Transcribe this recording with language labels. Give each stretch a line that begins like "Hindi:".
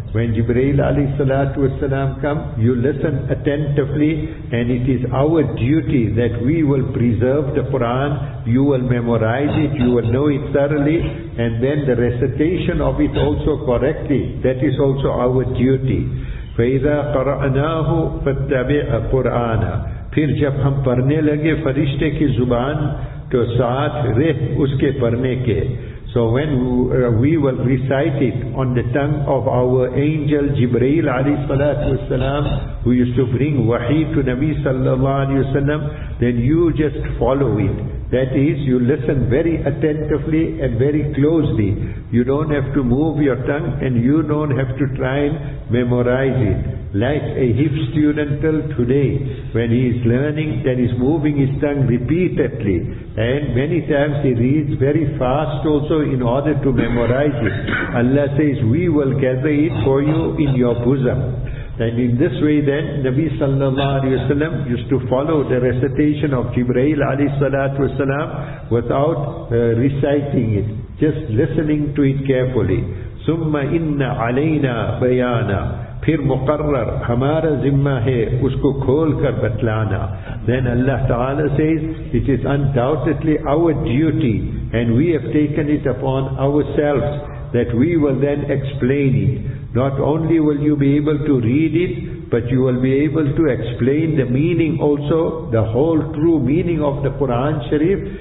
English: When Jibreel alayhi salatu wasalam come, you listen attentively, and it is our duty that we will preserve the Quran, you will memorize it, you will know it thoroughly, and then the recitation of it also correctly, that is also our duty.
Arabic: فَإِذَا قَرَعْنَاهُ فَاتَّبِعَ قُرْآنَا.
Urdu: پھر جب ہم پڑھنے لگے فرشتے کی زبان تو ساتھ رہ اس کے پڑھنے کے.
English: So when we will recite it on the tongue of our angel Jibreel alayhi salatu wasalam, who used to bring wahi to Nabi sallallahu alayhi wasalam, then you just follow it. That is, you listen very attentively and very closely. You don't have to move your tongue and you don't have to try and memorize it. Like a HIF student till today, when he is learning, then he is moving his tongue repeatedly. And many times he reads very fast also in order to memorize it. Allah says, we will gather it for you in your bosom. And in this way then, Nabi sallallahu alayhi wa sallam used to follow the recitation of Jibreel alayhi salatu wa sallam without reciting it, just listening to it carefully.
Arabic: ثم إن علينا بيانا.
Urdu: پھر مقرر ہمارا ذمہ ہے اس کو کھول کر بتلانا.
English: Then Allah Ta'ala says, it is undoubtedly our duty and we have taken it upon ourselves that we will then explain it. Not only will you be able to read it, But you will be able to explain the meaning also, the whole true meaning of the Quran Sharif.